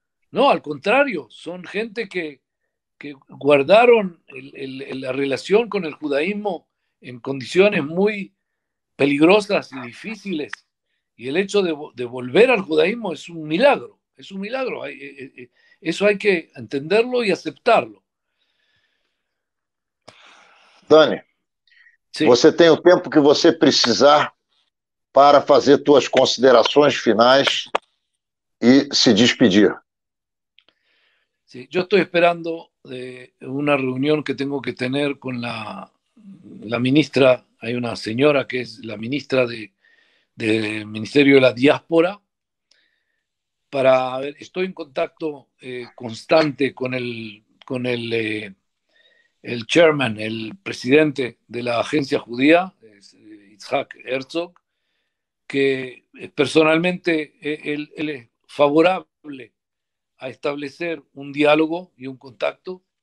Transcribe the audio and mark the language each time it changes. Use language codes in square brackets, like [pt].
[es] No, al contrario, son gente que guardaron la relación con el judaísmo en condiciones muy peligrosas y difíciles. Y el hecho de volver al judaísmo es un milagro, es un milagro. Eso hay que entenderlo y aceptarlo. Dani, sí. [pt] Você tem o tempo que você precisar para fazer tuas considerações finais e se despedir. [es] Sí, yo estoy esperando de una reunión que tengo que tener con la ministra. Hay una señora que es la ministra del Ministerio de la Diáspora, para ver, estoy en contacto constante con el chairman, el presidente de la agencia judía, Yitzhak Herzog, que personalmente él es favorable a establecer un diálogo y un contacto.